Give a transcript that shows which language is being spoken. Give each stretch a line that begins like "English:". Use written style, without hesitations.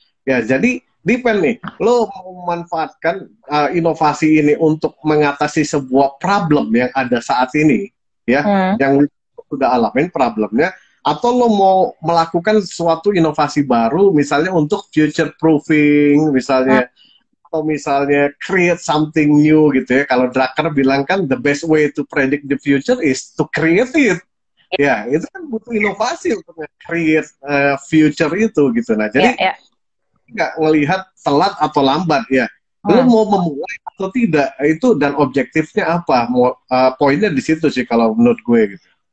Indonesian: Ya, jadi depend nih, lo mau memanfaatkan inovasi ini untuk mengatasi sebuah problem yang ada saat ini, ya, yang sudah alamin problemnya, atau lo mau melakukan suatu inovasi baru, misalnya untuk future proofing, misalnya, atau misalnya
English: create something new,
Indonesian: gitu ya. Kalau Drucker bilang kan,
English: the best way to predict the future is to create it.
Indonesian: Ya, itu kan butuh inovasi untuk create future itu, gitu. Nah, jadi nggak melihat telat atau lambat ya, lo mau memulai atau tidak itu, dan objektifnya apa, poinnya di situ sih kalau menurut gue gitu.